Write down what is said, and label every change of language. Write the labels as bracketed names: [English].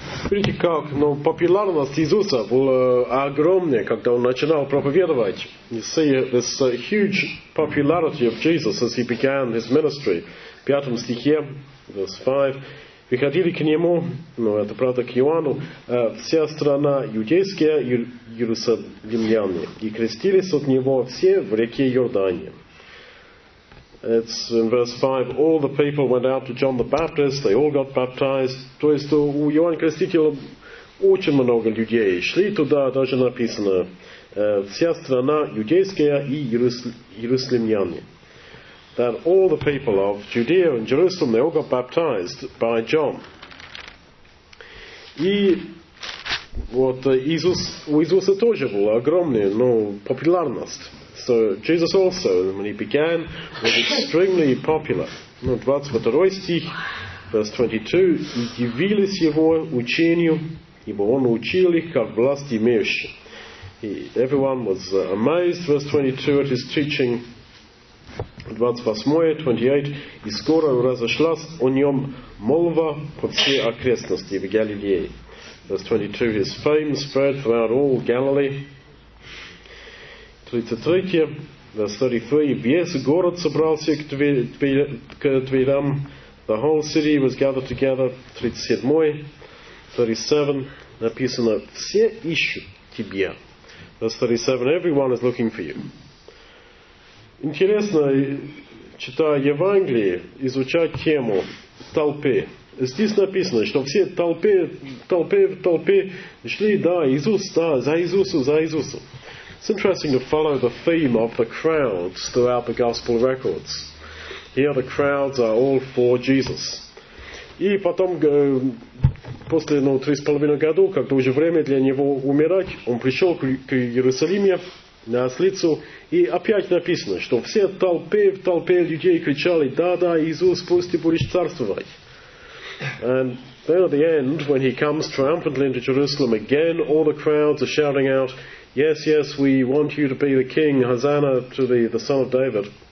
[Russian] Видите, как популярность Иисуса была огромная, когда Он начинал проповедовать. [English] You see this huge popularity of Jesus as He began His ministry. [Russian] В 5 стихе, [English] verse 5, [Russian] приходили к Нему, это правда к Иоанну, вся страна иудейская, иерусалимляне, и крестились от Него все в реке Иордане. [English] It's in verse 5, all the people went out to John the Baptist, they all got baptized. [Russian] То есть у Иоанна Крестителя очень много людей шли туда, даже написано, вся страна иудейская и иерусалимляне. [English] That all the people of Judea and Jerusalem, they all got baptized by John. [Russian] И вот Иисус, у Иисуса тоже была огромная, популярность. [English] So Jesus also, when he began, was extremely popular. [Russian] 22 стих, [English] verse 22, [Russian] и дивились его учению, ибо он учил их как власть имеющий. [English] Everyone was amazed, verse 22, at his teaching. [Russian] 28, 28, и скоро разошлась о нем молва по всей окрестности в Галилее. [English] Verse 22, his fame spread throughout all Galilee. 33, verse 33, [Russian] весь город собрался к дверям, [English] the whole city was gathered together. [Russian] 37, 37, написано, все ищут тебя. [English] Verse 37, everyone is looking for you. [Russian] Интересно, читая Евангелие, изучать тему толпы. Здесь написано, что все толпы шли, да, Иисус, да, за Иисусу, за Иисусу. [English] It's interesting to follow the theme of the crowds throughout the Gospel records. Here the crowds are all for Jesus. [Russian] И потом, после 3,5 года, когда уже время для него умирать, он пришел к Иерусалиме, на ослицу, и опять написано, что все толпы людей кричали, да-да, Иисус, пусть будешь царствовать. [English] And then at the end, when he comes triumphantly into Jerusalem again, all the crowds are shouting out, yes, yes, we want you to be the king, Hosanna to the son of David.